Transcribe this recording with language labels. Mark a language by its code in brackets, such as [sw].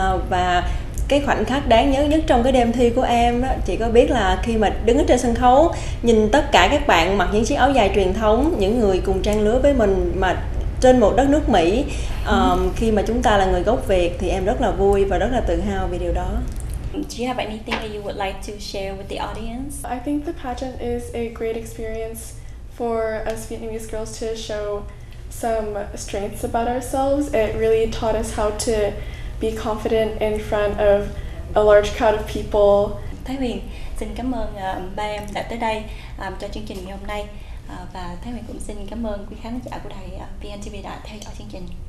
[vi] Và cái khoảnh khắc đáng nhớ nhất trong cái đêm thi của em đó, chị có biết là khi mà đứng ở trên sân khấu, nhìn tất cả các bạn mặc những chiếc áo dài truyền thống, những người cùng trang lứa với mình mà trên một đất nước Mỹ, khi mà chúng ta là người gốc Việt, thì em rất là vui và rất là tự hào vì điều đó. [en] Do you have anything that you would like to share with the audience? I think the pageant is a great experience for us Vietnamese girls to show some strengths about ourselves. It really taught us how to be confident in front of a large crowd of people. [vi] Thái Huyền, xin cảm ơn ba em đã tới đây cho chương trình ngày hôm nay. Và Thái Huyền cũng xin cảm ơn quý khán giả của đài VNTV đã theo dõi chương trình.